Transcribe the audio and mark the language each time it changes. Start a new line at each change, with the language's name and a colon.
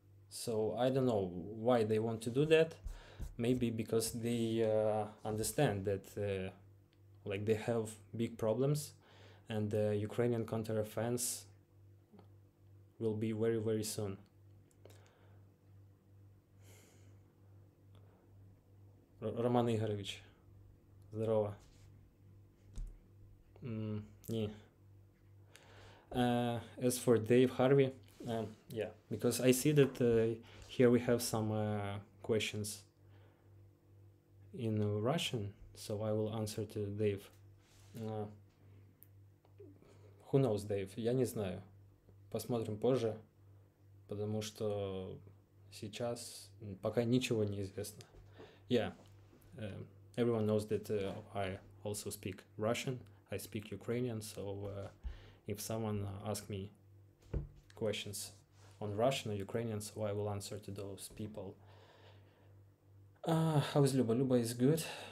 English: So I don't know why they want to do that. Maybe because they understand that like they have big problems, and the Ukrainian counter-offense will be very soon.
Russian: Роман Игоревич, здорово. Не.
English: As for Dave Harvey, yeah, because I see that here we have some questions in Russian, so I will answer to Dave. Who knows, Dave?
Russian: Я не знаю. Посмотрим позже, потому что сейчас пока ничего не известно.
English: Yeah, everyone knows that I also speak Russian. I speak Ukrainian, so if someone asks me questions on Russian or Ukrainian, so I will answer to those people. How is Luba? Luba is good.